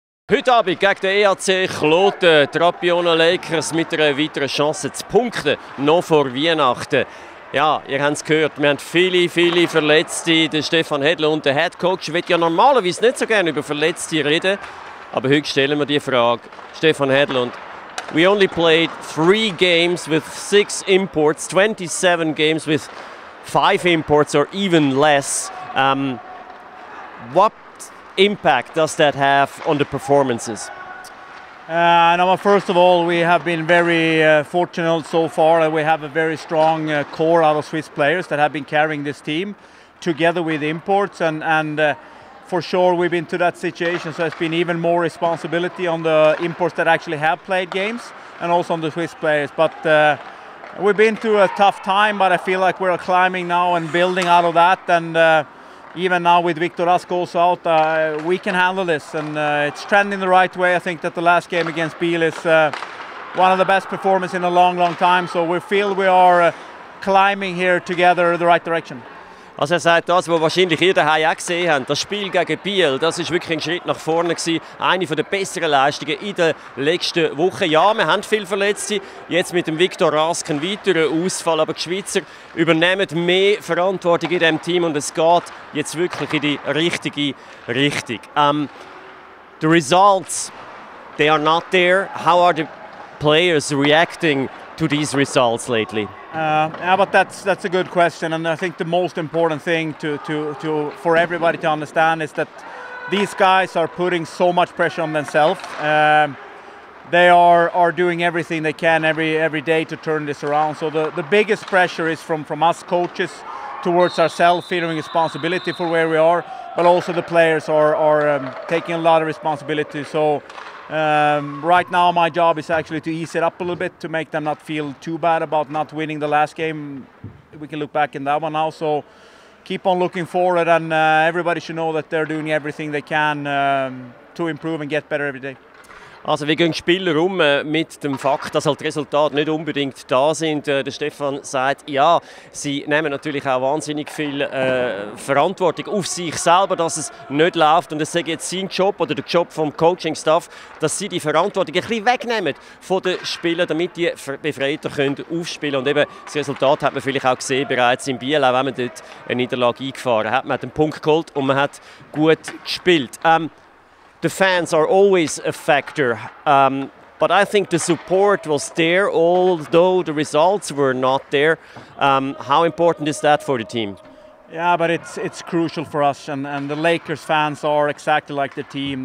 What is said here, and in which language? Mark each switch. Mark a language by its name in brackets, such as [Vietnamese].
[German] Heute Abend gegen den EHC Kloten, die Rapperswil-Jona Lakers mit einer weiteren Chance zu punkten, noch vor Weihnachten. Ja, ihr habt es gehört, wir haben viele, viele Verletzte. Der Stefan Hedlund, der Headcoach, wird ja normalerweise nicht so gerne über Verletzte reden. Aber heute stellen wir die Frage. [English] Stefan Hedlund, we only played 3 games with 6 imports, 27 games with 5 imports or even less. What impact does that have on the performances? First of all, we have been very fortunate so far. We have a very strong core out of Swiss players that have been carrying this team together with imports. For sure, we've been to that situation, so it's been even more responsibility on the imports that actually have played games and also on the Swiss players. But we've been through a tough time, but I feel like we're climbing now and building out of that. Even now with Victor Rask also out, we can handle this. It's trending the right way. I think that the last game against Spiel is one of the best performances in a long, long time. So we feel we are climbing here together in the right direction. [German] Also er sagt, das, was wahrscheinlich ihr daheim auch gesehen habt, das Spiel gegen Biel, das war wirklich ein Schritt nach vorne gewesen. Eine der besseren Leistungen in den letzten Wochen. Ja, wir haben viele Verletzte, jetzt mit dem Victor Rask einen weiteren Ausfall. Aber die Schweizer übernehmen mehr Verantwortung in diesem Team und es geht jetzt wirklich in die richtige Richtung. [English] The results, they are not there. How are the players reacting to these results lately? But that's a good question, and I think the most important thing for everybody to understand is that these guys are putting so much pressure on themselves. They are doing everything they can every day to turn this around. So the biggest pressure is from us coaches towards ourselves, feeling responsibility for where we are, but also the players are taking a lot of responsibility. So right now my job is actually to ease it up a little bit to make them not feel too bad about not winning the last game. We can look back in that one now, so keep on looking forward, and everybody should know that they're doing everything they can to improve and get better every day. [German] Also wie gehen Spieler um mit dem Fakt, dass halt die Resultate nicht unbedingt da sind? Der Stefan sagt, ja, sie nehmen natürlich auch wahnsinnig viel Verantwortung auf sich selber, dass es nicht läuft. Und es sei jetzt sein Job oder der Job vom Coaching-Staff, dass sie die Verantwortung ein bisschen wegnehmen von den Spielern, damit die befreiter können aufspielen. Und eben das Resultat hat man vielleicht auch gesehen bereits in Biel, auch wenn man dort eine Niederlage eingefahren hat. Man hat einen Punkt geholt und man hat gut gespielt. [English] The fans are always a factor, but I think the support was there, although the results were not there. How important is that for the team? Yeah, but it's crucial for us, and the Lakers fans are exactly like the team.